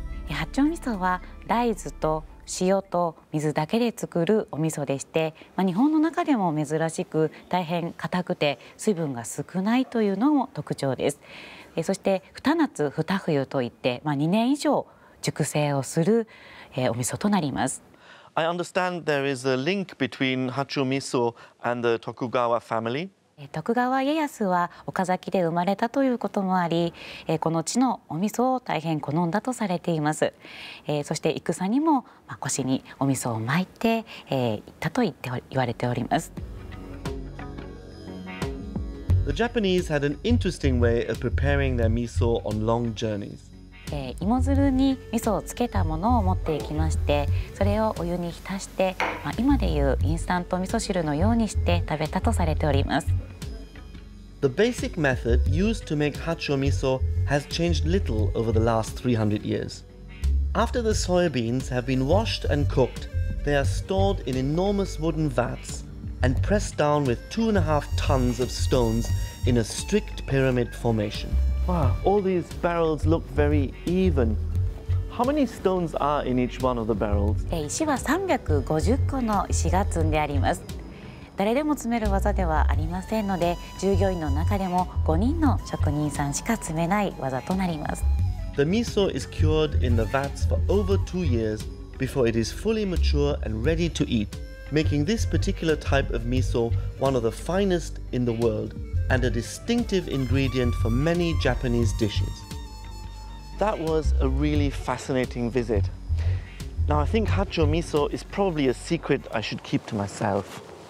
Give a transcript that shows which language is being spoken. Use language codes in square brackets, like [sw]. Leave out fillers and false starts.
[ja] 八丁味噌は大豆と塩と水だけで作るお味噌でして、まあ、日本の中でも珍しく大変硬くて水分が少ないというのも特徴です。そして二夏二冬といって、まあ、2年以上熟成をするお味噌となります。 [en] I understand there is a link between Hachō miso and the Tokugawa family. [ja] Tokugawa Ieyasu は岡崎で生まれたということもあり、この地のお味噌を大変好んだとされています。そして戦にも腰にお味噌を巻いて行ったと言われております。 [en] The Japanese had an interesting way of preparing their miso on long journeys. [ja] 芋づるに味噌をつけたものを持っていきまして、それをお湯に浸して、まあ、今でいうインスタント味噌汁のようにして食べたとされております。 [en] The basic method used to make Hachō miso has changed little over the last 300 years. After the soybeans have been washed and cooked, they are stored in enormous wooden vats and pressed down with 2.5 tons of stones in a strict pyramid formation Wow, all these barrels look very even. How many stones are in each one of the barrels? [ja] 石は350個の石が積んであります。誰でも積める技ではありませんので、従業員の中でも5人の職人さんしか積めない技となります。 [en] The miso is cured in the vats for over 2 years before it is fully mature and ready to eat, making this particular type of miso one of the finest in the world. And a distinctive ingredient for many Japanese dishes. That was a really fascinating visit. Now I think Hachō miso is probably a secret I should keep to myself.